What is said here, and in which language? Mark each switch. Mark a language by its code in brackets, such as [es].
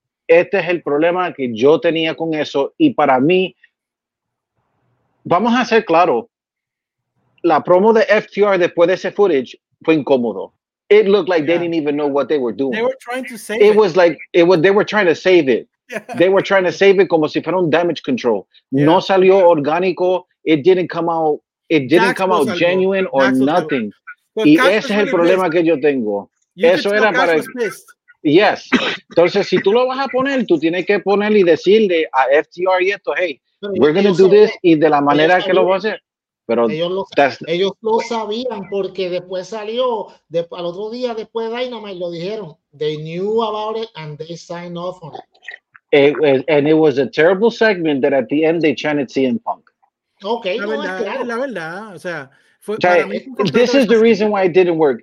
[es] Este es el problema que yo tenía con eso. Y para mí, vamos a ser claros, la promo de FTR después de ese footage fue incómodo. [en] It looked like they didn't even know what they were doing. They were trying to save it. They were trying to save it. They were trying to save it [es] como si fuera un [en] damage control. Yeah. [es] No salió orgánico. [en] It didn't come out. It didn't Caxo come out salió. Genuine or Caxo nothing. [es] Y ese es el problema que yo tengo. Eso era para. Yes. Entonces, si tú lo vas a poner, tú tienes que poner y decirle a FTR y esto, [en] hey, we're going to do this [es] y de la manera que lo va a hacer. pero ellos lo sabían porque después salió al otro día después de Dynamite lo dijeron. [en] They knew about it and they signed off on it. And it was a terrible segment that at the end they chanted CM Punk. Okay, [es] la no, verdad, es claro. La verdad, o sea, fue, para mí, [en] this is the reason why it didn't work.